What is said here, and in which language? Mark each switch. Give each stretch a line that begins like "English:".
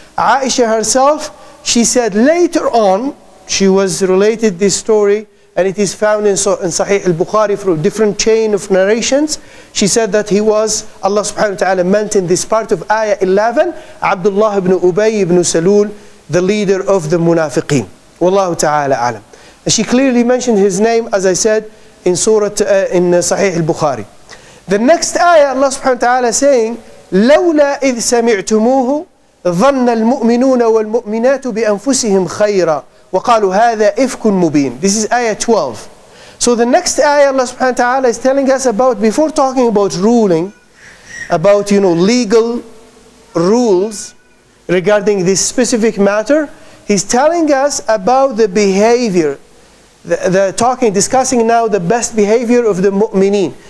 English: Aisha herself, she said later on, she was related this story, and it is found in Sahih al-Bukhari through a different chain of narrations. She said that he was, Allah subhanahu wa ta'ala mentioned this part of ayah 11, Abdullah ibn Ubay ibn Salul, the leader of the munafiqeen. Wallahu ta'ala alam. She clearly mentioned his name, as I said, in Sahih al-Bukhari. The next ayah, Allah subhanahu wa ta'ala saying,
Arabic: لَوْلَا إِذْ سَمِعْتُمُوهُ ظَنَّ الْمُؤْمِنُونَ وَالْمُؤْمِنَاتُ بِأَنفُسِهِمْ خَيْرًا وَقَالُوا هَذَا إِفْكٌ مُبِينٌ.
English: This is ayah 12. So the next ayah, Allah subhanahu wa ta'ala is telling us about, before talking about ruling, about, you know, legal rules regarding this specific matter, he's telling us about the behavior, discussing now the best behavior of the mu'mineen.